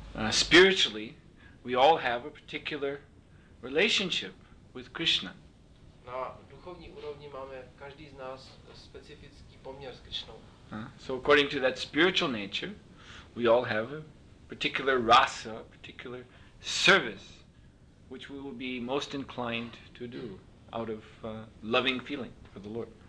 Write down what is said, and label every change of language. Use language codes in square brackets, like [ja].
[en] Spiritually, we all have a particular relationship with Krishna. [cs] Na duchovní úrovni máme každý z nás specifický poměr s Krishnou. [en] So according to that spiritual nature, we all have a particular rasa, a particular service, which we will be most inclined to do out of loving feeling for the Lord.